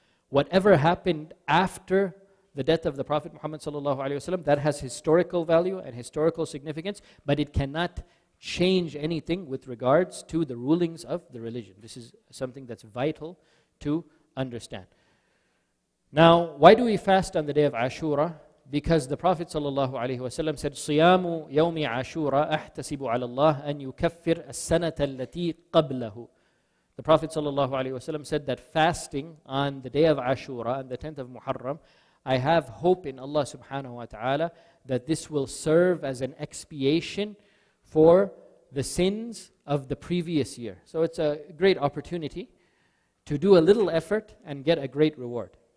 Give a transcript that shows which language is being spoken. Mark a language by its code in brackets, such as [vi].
[en] Whatever happened after the death of the Prophet Muhammad sallallahu alayhi wa sallam, that has historical value and historical significance, but it cannot change anything with regards to the rulings of the religion. This is something that's vital to understand. Now, why do we fast on the day of Ashura? Because the Prophet sallallahu alayhi wa sallam said, [ar] صِيَامُ يَوْمِ عَشُورَ أَحْتَسِبُ عَلَى اللَّهِ أَنْ يُكَفِّرْ السَّنَةَ الَّتِي قَبْلَهُ. [en] The Prophet sallallahu alayhi wa sallam said that fasting on the day of Ashura, on the 10th of Muharram, I have hope in Allah subhanahu wa ta'ala that this will serve as an expiation for the sins of the previous year. So it's a great opportunity to do a little effort and get a great reward.